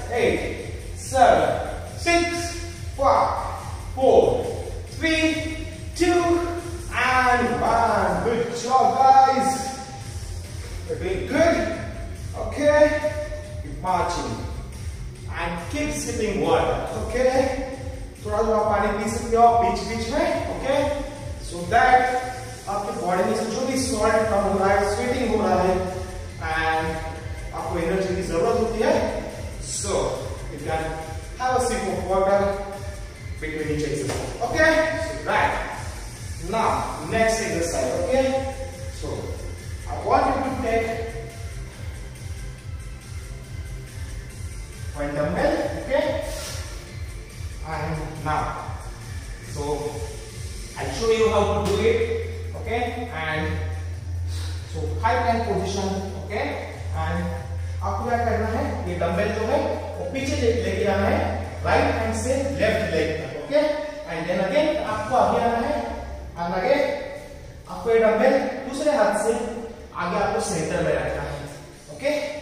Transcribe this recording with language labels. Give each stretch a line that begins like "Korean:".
English: Eight, seven, six, five, four, three, two, and one. Good job, guys. You're doing good. Okay. Keep marching. And keep sipping water, okay?
Hindi: थोड़ा थोड़ा पानी P सकते हो बीच बीच में okay so that आपके body में से जो भी सॉल्ट कम हो रहा है स्वीटिंग हो रहा है एंड आपको एनर्जी की जरूरत होती है
English: So you can have a sip of water between each exercise okay so right now next exercise okay so I want you to take One dumbbell, okay? And now, so I'll show you how to do it, okay? And so high plank position, okay?
Hindi: And आपको क्या करना है? ये dumbbell जो है, वो पीछे लेके आना है, right hand से left leg तक, okay? And then again आपको आगे आना है, and again आपको ये dumbbell दूसरे हाथ से आगे आपको center में रखना है, okay?